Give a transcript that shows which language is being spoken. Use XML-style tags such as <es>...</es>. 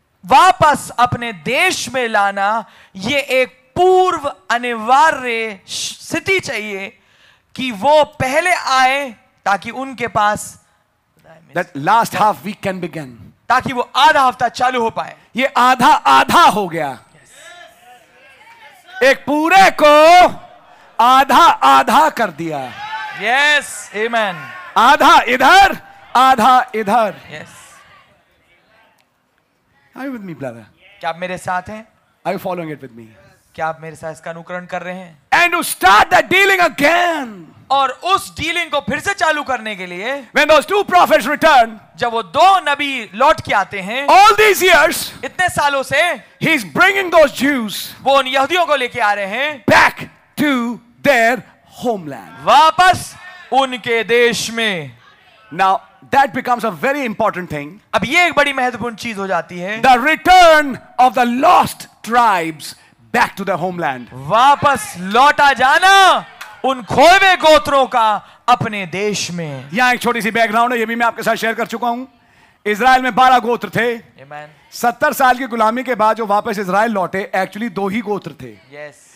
<hi>वापस अपने देश में लाना ये एक पूर्व अनिवार्य स्थिति चाहिए कि वो पहले आए ताकि उनके पास</hi> <en>that last half week can begin.</en> <hi>ताकि वो आधा हफ्ता चालू हो पाए। ये आधा आधा हो गया।</hi> <en>yes.</en> <hi>एक पूरे को आधा आधा कर दिया।</hi> <en>yes, amen.</en> <hi>आधा इधर, आधा इधर।</hi> <en>yes. Are you with me, brother?</en> <hi>क्या आप मेरे साथ हैं?</hi> <en>Are you following it with me?</en> <hi>क्या आप मेरे साथ इसका अनुकरण कर रहे हैं?</hi> <en>And to start the dealing again.</en> <hi>और उस डीलिंग को फिर से चालू करने के लिए</hi> <en>When those two prophets return,</en> <hi>जब वो दो नबी लौट के आते हैं</hi> <en>All these years,</en> <hi>इतने सालों से</hi> <en>he is bringing those Jews,</en> <hi>वो उन यहूदियों को लेके आ रहे हैं</hi> <en>back to their homeland,</en> <hi>वापस उनके देश में</hi> <en>Now that becomes a very important thing,</en> <hi>अब ये एक बड़ी महत्वपूर्ण चीज हो जाती है</hi> <en>The return of the lost tribes back to their homeland,</en> <hi>वापस लौटा जाना उन खोए हुए गोत्रों का अपने देश में यहां एक छोटी सी बैकग्राउंड है ये भी मैं आपके साथ शेयर कर चुका हूं इसराइल में 12 गोत्र थे</hi> <en>Amen.</en> <hi>70 साल की गुलामी के बाद जो वापस इसराइल लौटे एक्चुअली दो ही गोत्र थे</hi> <en>yes.</en>